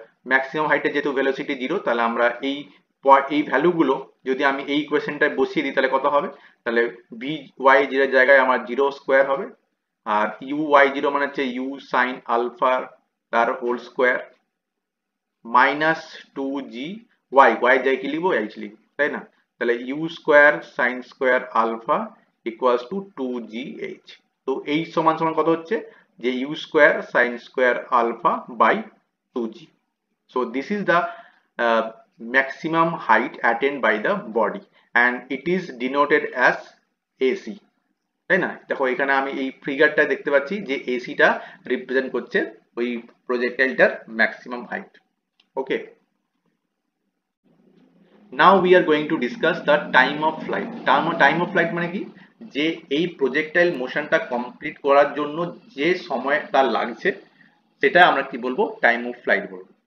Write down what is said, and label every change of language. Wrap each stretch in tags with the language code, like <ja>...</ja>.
<bn>Maximum হাইটের যেহেতু velocity zero তাহলে আমরা এই এই ভ্যালুগুলো যদি আমি এই ইকুয়েশনটায় বসিয়ে দিই তাহলে কত হবে, তাহলে ভি ওয়াই জিরোর জায়গায় আমার জিরো স্কোয়ার হবে, আর ইউ ওয়াই জিরো মানে হচ্ছে ইউ সাইন আলফা তার whole square minus two G Y, Y যাই কি লিখবো এইচ লিখবো, তাই না? তাহলে you square sine square alpha equals to two G H. তো এইচ সমান সমান কত হচ্ছে যে you square sine square alpha by two G,</bn> <en>So this is the maximum height attained by the body and it is denoted as AC.</en> <bn>তাই না? দেখো এখানে আমি এই ফিগারটা দেখতে পাচ্ছি যে এসিটা রিপ্রেজেন্ট করছে ওই প্রজেক্টাইলটার maximum height.</bn> <en>Okay, now we are going to discuss the time of flight. Time of flight</en> <bn>মানে কি? যে এই প্রজেক্টাইল মোশনটা কমপ্লিট করার জন্য যে সময়টা লাগছে সেটা আমরা কি বলবো? টাইম অফ ফ্লাইট বলবো।</bn>